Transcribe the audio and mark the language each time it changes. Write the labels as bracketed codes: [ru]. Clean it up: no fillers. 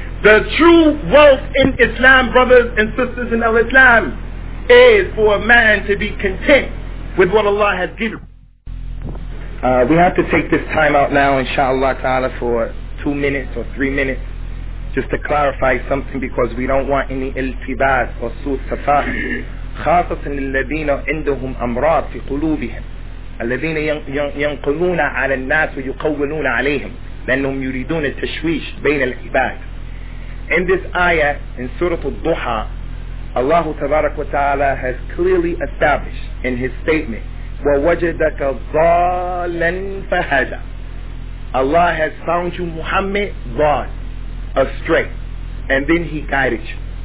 [en] The true wealth in Islam, brothers and sisters in al-Islam, is for a man to be content with what Allah has given. We have to take this time out now, inshallah ta'ala, for 2 minutes or 3 minutes, just to clarify something, because we don't want any iltibas or su'safah. [ar] خاصة الذين عندهم أمراض في قلوبهم الذين ينقلون على الناس ويقولون عليهم لأنهم يريدون التشويش بين العباد. [en] In this ayah in Surah Al-Duha, Allah تبارك وتعالى has clearly established in his statement, وَوَجَدَكَ ضَالًا فَهَدَى. Allah has found you, Muhammad, ضال, astray, and then he guided you.